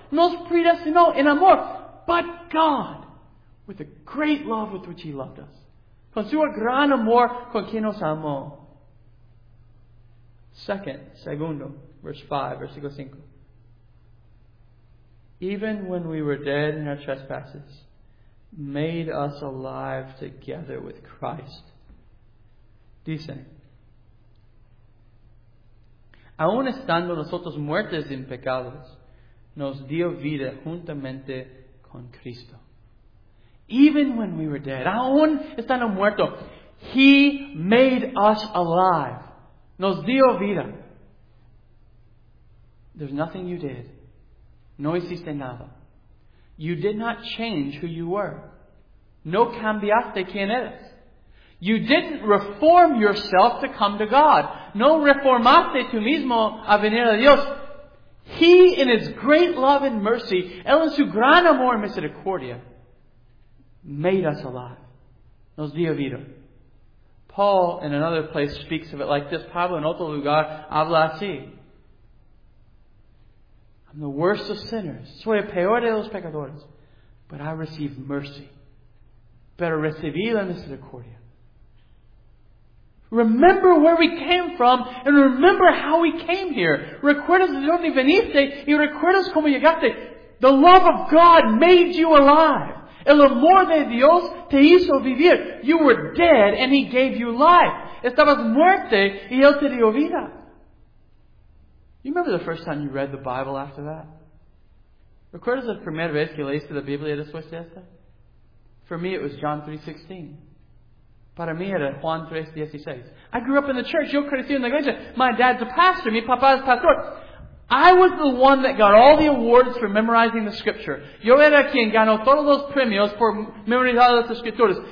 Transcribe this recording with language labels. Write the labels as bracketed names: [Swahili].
[Spanish] Nos predestinó en amor. [English] But God, with the great love with which He loved us, [Spanish] con su gran amor con quien nos amó. Segundo, verse 5, versículo 5. [English] Even when we were dead in our trespasses, made us alive together with Christ. [Spanish] Dice, aun estando nosotros muertos en pecados, nos dio vida juntamente con Cristo. [English] Even when we were dead, [Spanish] aún estando muerto, [English] He made us alive. [Spanish] Nos dio vida. [English] There's nothing you did. [Spanish] No hiciste nada. [English] You did not change who you were. [Spanish] No cambiaste quién eres. [English] You didn't reform yourself to come to God. [Spanish] No reformaste tú mismo a venir a Dios. [English] He, in His great love and mercy, [Spanish] Él en su gran amor y misericordia, [English] made us alive. [Spanish] Nos dio vida. [English] Paul, in another place, speaks of it like this. [Spanish] Pablo, en otro lugar, habla así. [English] I'm the worst of sinners. [Spanish] Soy el peor de los pecadores. [English] But I receive mercy. [Spanish] Pero recibí la misericordia. [English] Remember where we came from and remember how we came here. [Spanish] Recuerdas de donde veniste y recuerdas cómo llegaste. [English] The love of God made you alive. [Spanish] El amor de Dios te hizo vivir. [English] You were dead and He gave you life. [Spanish] Estabas muerte y Él te dio vida. [English] You remember the first time you read the Bible after that? [Spanish] Recuerdas la primera vez que leíste la Biblia después de esta? [English] For me it was John 3:16. [Spanish] Para mí era Juan 3:16. [English] I grew up in the church. [Spanish] Yo crecí en la iglesia. [English] My dad's a pastor. [Spanish] Mi papá es pastor. [English] I was the one that got all the awards for memorizing the scripture. [Spanish] Yo era quien ganó todos los premios por memorizar las escrituras.